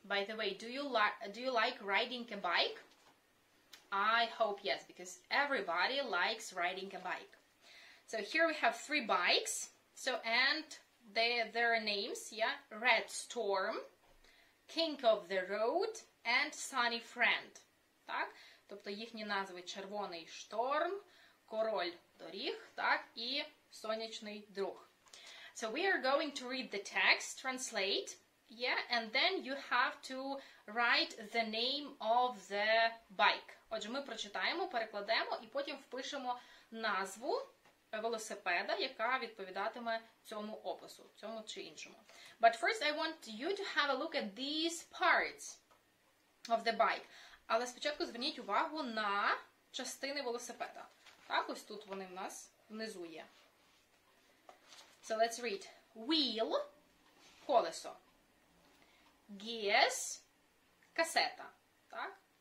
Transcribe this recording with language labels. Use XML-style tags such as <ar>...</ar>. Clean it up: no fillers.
<en>By the way, do you like riding a bike? I hope yes, because everybody likes riding a bike. So here we have 3 bikes. So, and their names, yeah, Red Storm, King of the Road and Sunny Friend.</en> <uk>Так? Тобто їхні назви Червоний Шторм, Король Доріг, так? І Сонячний Друг.</uk> <en>So we are going to read the text, translate, yeah, and then you have to write the name of the bike.</en> <uk>Отже, ми прочитаємо, перекладемо і потім впишемо назву велосипеда, яка відповідатиме цьому опису, цьому чи іншому.</uk> <en>But first I want you to have a look at these parts of the bike.</en> <uk>Але спочатку зверніть увагу на частини велосипеда. Так, ось тут вони в нас внизу є.</uk> <en>So let's read. Wheel –</en> <uk>колесо.</uk> <en>Gears –</en> <uk>касета. Так?</uk>